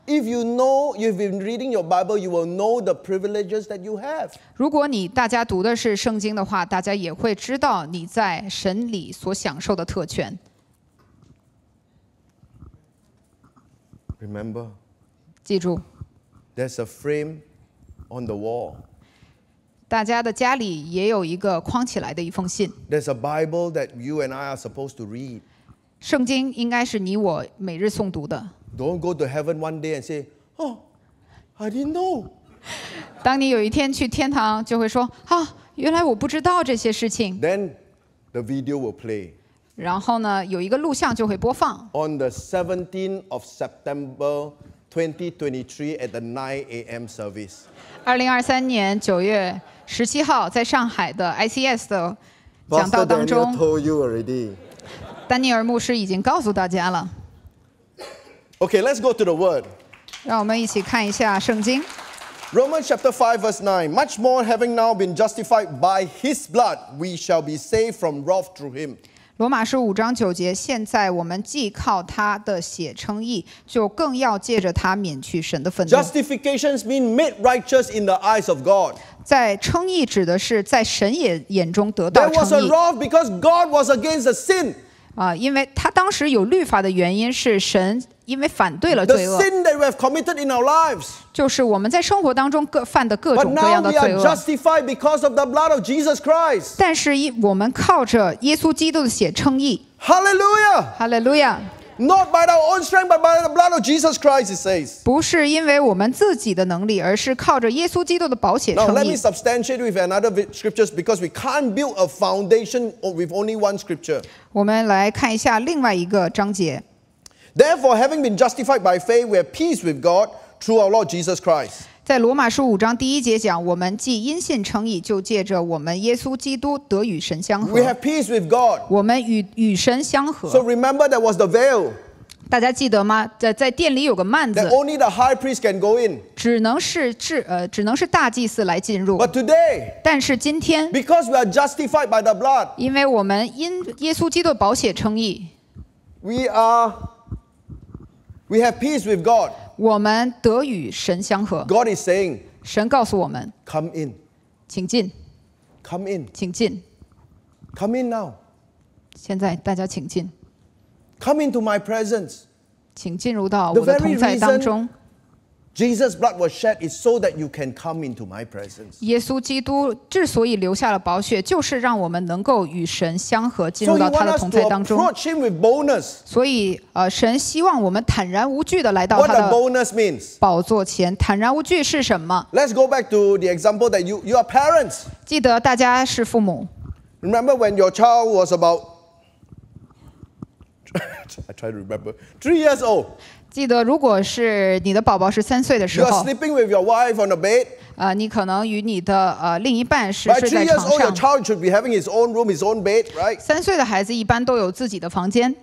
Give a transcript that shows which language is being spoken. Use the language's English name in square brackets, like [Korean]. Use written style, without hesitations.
[English] ？If you know you've been reading your Bible, you will know the privileges that you have. [Chinese] 如果你大家读的是圣经的话，大家也会知道你在神里所享受的特权。 [English] Remember, [Chinese] 记住 [English] there's a frame on the wall. [Chinese] 大家的家里也有一个框起来的一封信 [English] There's a Bible that you and I are supposed to read. [Chinese] 圣经应该是你我每日诵读的 [English] Don't go to heaven one day and say, "Oh, I didn't know." [Chinese] 当你有一天去天堂，就会说啊，原来我不知道这些事情 [English] Then the video will play. [Chinese] 然后呢，有一个录像就会播放。 [English] On the 17th of September 2023 at the 9 a.m. service. [Chinese] 2023年9月17号在上海的 ICS 的讲道当中。 [English] Pastor Daniel told you already. [Chinese] 丹尼尔牧师已经告诉大家了。 [English] Okay, let's go to the Word. [Chinese] 让我们一起看一下圣经。 [English] Romans chapter 5 verse 9. Much more, having now been justified by His blood, we shall be saved from wrath through Him. [Chinese] 罗马书五章九节，现在我们既靠他的血称义，就更要借着他免去神的愤怒。 [English] Justification means made righteous in the eyes of God. [Chinese] 在称义指的是在神眼中得到称义。 [English] There was a wrath because God was against the sin. [Chinese] 因为他当时有律法的原因是神因为反对了罪恶。 [English] The sin that we have committed in our lives. [Chinese] 就是我们在生活当中犯的各种各样的罪恶。 [English] But now we are justified because of the blood of Jesus Christ. [Chinese] 但是我们靠着耶稣基督的血称义。 [English] Hallelujah! Hallelujah! Not by our own strength, but by the blood of Jesus Christ, it says. [Chinese] 不是因为我们自己的能力，而是靠着耶稣基督的宝血称义。 [English] Now let me substantiate with another scriptures because we can't build a foundation with only one scripture. [Chinese] 我们来看一下另外一个章节。 [English] Therefore, having been justified by faith, we have peace with God through our Lord Jesus Christ. [Chinese] 在罗马书五章第一节讲，我们既因信称义，就借着我们耶稣基督得与神相合。 [English] We have peace with God. [Chinese] 我们与神相合。 [English] So remember, there was the veil. [Chinese] 大家记得吗？在殿里有个幔子。 [English] That only the high priest can go in. [Chinese] 只能是大祭司来进入。 [English] But today, [Chinese] 但是今天 [English] ，because we are justified by the blood. [Chinese] 因为我们因耶稣基督宝血称义 [English] ，we are. We have peace with God. [Chinese] 我们得与神相合。 [English] God is saying, [Chinese] 神告诉我们 [English] ，Come in, [Chinese] 请进。 [English] Come in, [Chinese] 请进。 [English] Come in now. [Chinese] 现在大家请进。 [English] Come into my presence. [Chinese] 请进入到我的同在当中。 [English] The very reason Jesus' blood was shed is so that you can come into my presence. [Chinese] 耶稣基督之所以流下了宝血，就是让我们能够与神相合，进入到他的同在当中。 [English] So you want us to approach him with boldness. [Chinese] 所以，神希望我们坦然无惧地来到他的宝座前。 [English] What does boldness mean? [Chinese] 宝座前，坦然无惧是什么？ [English] Let's go back to the example that you are parents. [Chinese] 记得大家是父母。 [English] Remember when your child was about I try to remember 3 years old. [Chinese] 记得，如果是你的宝宝是三岁的时候 [English] ，You are sleeping with your wife on the bed。 [Chinese] 你可能与你的另一半是睡在床上。 [English] By 3 years old, your child should be having his own room, his own bed, right? [Chinese] 三岁的孩子一般都有自己的房间。